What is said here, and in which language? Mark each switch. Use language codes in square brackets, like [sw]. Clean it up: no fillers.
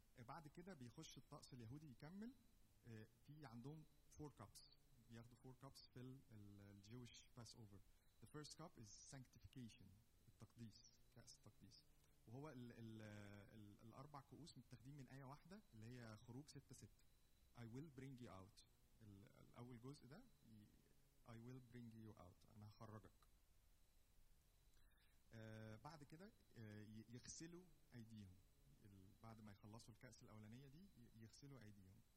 [ar] بعد كده بيخش الطقس اليهودي يكمل. في عندهم [en] four cups، [ar] بياخدوا four cups في الجيوش Passover. [en] The first cup is sanctification، [ar] التقديس، كأس التقديس. وهو الأربع كؤوس متخدين من آية واحدة اللي هي خروج 6:6، [en] I will bring you out. [ar] الأول جزء ده [en] I will bring you out، [ar] أنا هخرجك. بعد كده يغسلوا أيديهم، بعد ما يخلصوا الكأس الأولانية دي يغسلوا أيديهم.